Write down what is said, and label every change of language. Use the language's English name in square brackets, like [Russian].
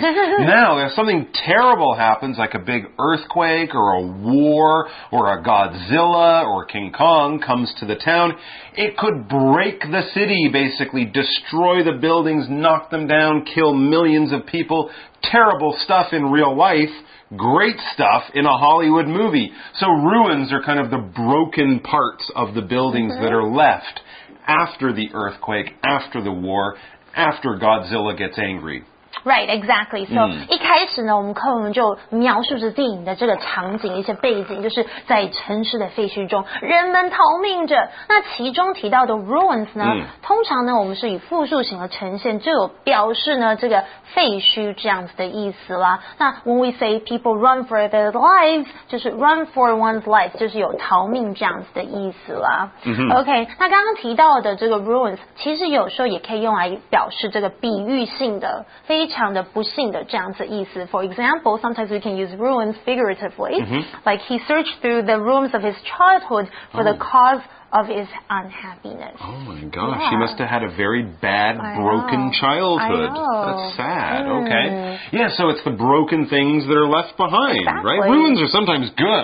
[English] Now, if something terrible happens, like a big earthquake or a war or a Godzilla or King Kong comes to the town, it could break the city, basically destroy the buildings, knock them down, kill millions of people. Terrible stuff in real life. Great stuff in a Hollywood movie. So ruins are kind of the broken parts of the buildings that are left after the earthquake, after the war, after Godzilla gets angry. Right, exactly. [Chinese] So, 一开始呢，我们柯文就描述着电影的这个场景，一些背景，就是在城市的废墟中，人们逃命着。那其中提到的 ruins 呢，通常呢，我们是以复数形的呈现，就有表示呢这个废墟这样子的意思啦。那 [English] when we say people run for their lives， [Chinese] 就是 [English] run for one's life， [Chinese] 就是有逃命这样子的意思啦。 OK， 那刚刚提到的这个 ruins， 其实有时候也可以用来表示这个比喻性的非常的不幸的这样子意思。 [English] For example, sometimes we can use ruins figuratively. Like he searched through the rooms of his childhood for the cause of his unhappiness. Oh my gosh, he must have had a very bad, broken childhood. That's sad, okay. Yeah, so it's the broken things that are left behind, right? Ruins are sometimes good.